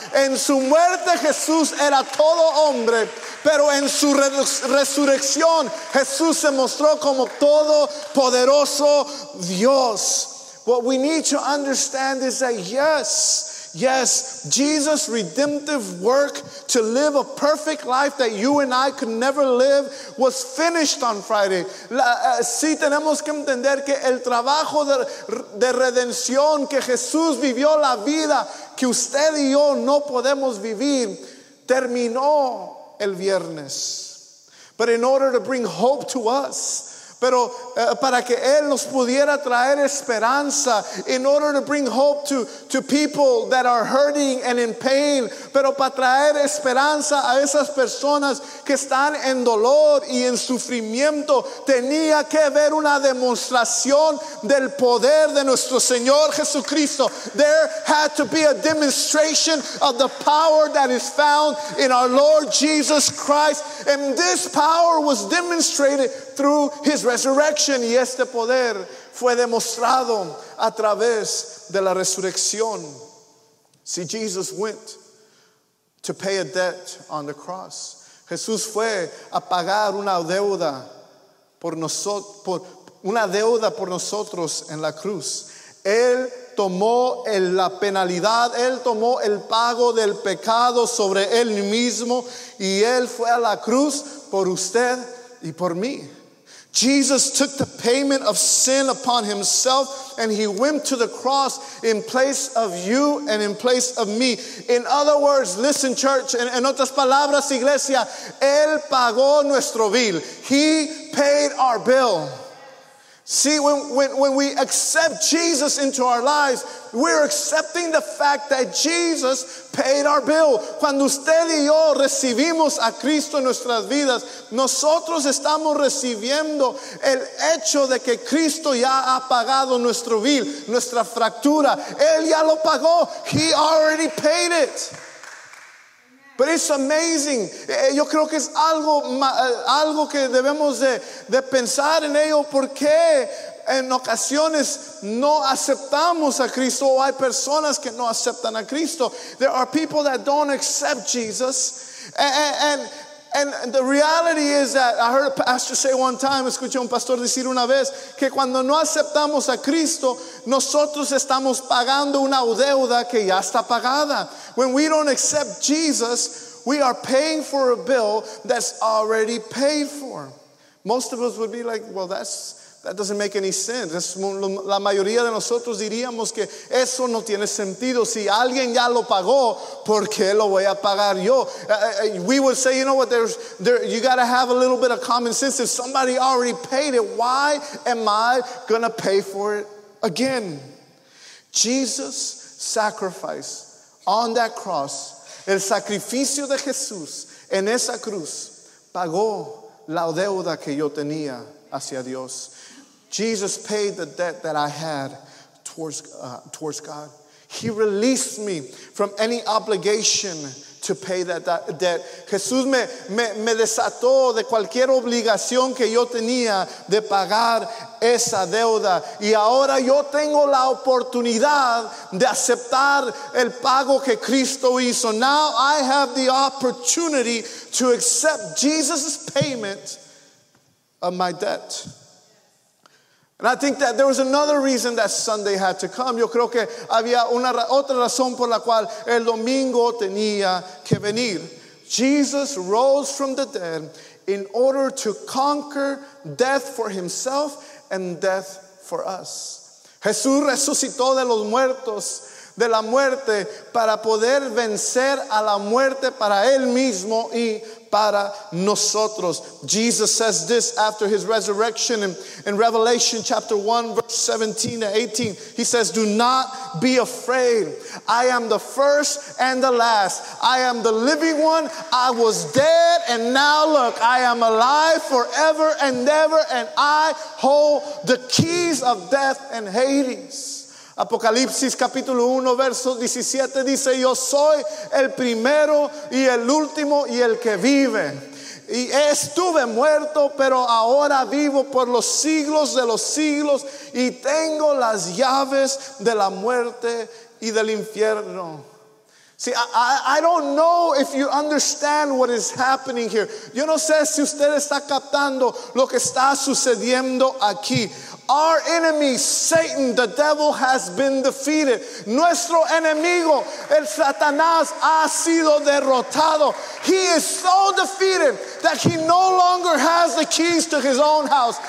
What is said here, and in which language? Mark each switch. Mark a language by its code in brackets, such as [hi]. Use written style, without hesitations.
[es] En su muerte, Jesús era todo hombre, pero en su resurrección, Jesús se mostró como todo poderoso Dios. [en] What we need to understand is that yes, Jesus' redemptive work to live a perfect life that you and I could never live was finished on Friday. [es] Sí, tenemos que entender que el trabajo de redención que Jesús vivió, la vida que usted y yo no podemos vivir, terminó el viernes. [en] But in order to bring hope to us, [es] pero para que Él nos pudiera traer esperanza, [en] in order to bring hope to people that are hurting and in pain, [es] pero para traer esperanza a esas personas que están en dolor y en sufrimiento, tenía que haber una demostración del poder de nuestro Señor Jesucristo. [en] There had to be a demonstration of the power that is found in our Lord Jesus Christ. And this power was demonstrated through his resurrection. [es] Y este poder fue demostrado a través de la resurrección. [en] See, Jesus went to pay a debt on the cross. [es] Jesús fue a pagar una deuda por nosotros en la cruz. Él tomó la penalidad, Él tomó el pago del pecado sobre Él mismo, y Él fue a la cruz por usted y por mí. [en] Jesus took the payment of sin upon himself, and he went to the cross in place of you and in place of me. In other words, listen, church, [es] en otras palabras, iglesia, Él pagó nuestro bill. [en] He paid our bill. See, when we accept Jesus into our lives, we're accepting the fact that Jesus paid our bill. [es] Cuando usted y yo recibimos a Cristo en nuestras vidas, nosotros estamos recibiendo el hecho de que Cristo ya ha pagado nuestro bill, nuestra fractura. Él ya lo pagó. [en] He already paid it. But it's amazing. [es] Yo creo que es algo que debemos de pensar en ello. ¿Por qué en ocasiones no aceptamos a Cristo? O hay personas que no aceptan a Cristo. [en] There are people that don't accept Jesus. And the reality is that I heard a pastor say one time, [es] escuché un pastor decir una vez, que cuando no aceptamos a Cristo, nosotros estamos pagando una deuda que ya está pagada. [en] When we don't accept Jesus, we are paying for a bill that's already paid for. Most of us would be like, well, that doesn't make any sense. [es] La mayoría de nosotros diríamos que eso no tiene sentido. Si alguien ya lo pagó, ¿por qué lo voy a pagar yo? [en] We would say, you know what, you got to have a little bit of common sense. If somebody already paid it, why am I going to pay for it again? Jesus' sacrifice on that cross, [es] el sacrificio de Jesús en esa cruz, pagó la deuda que yo tenía hacia Dios. [en] Jesus paid the debt that I had towards God. He released me from any obligation to pay that debt. [es] Jesús me desató de cualquier obligación que yo tenía de pagar esa deuda, y ahora yo tengo la oportunidad de aceptar el pago que Cristo hizo. [en] Now I have the opportunity to accept Jesus' payment of my debt. And I think that there was another reason that Sunday had to come. [es] Yo creo que había otra razón por la cual el domingo tenía que venir. [en] Jesus rose from the dead in order to conquer death for himself and death for us. [es] Jesús resucitó de los muertos, de la muerte, para poder vencer a la muerte para él mismo y para nosotros. [en] Jesus says this after his resurrection in Revelation chapter 1, verse 17 to 18. He says, "Do not be afraid. I am the first and the last. I am the living one. I was dead, and now look, I am alive forever and ever, and I hold the keys of death and Hades." [es] Apocalipsis capítulo 1 verso 17 dice, yo soy el primero y el último y el que vive, y estuve muerto pero ahora vivo por los siglos de los siglos, y tengo las llaves de la muerte y del infierno. [en] See, I don't know if you understand what is happening here. [es] Yo no sé si usted está captando lo que está sucediendo aquí. [en] Our enemy, Satan, the devil, has been defeated. [es] Nuestro enemigo, el Satanás, ha sido derrotado. [en] He is so defeated that he no longer has the keys to his own house.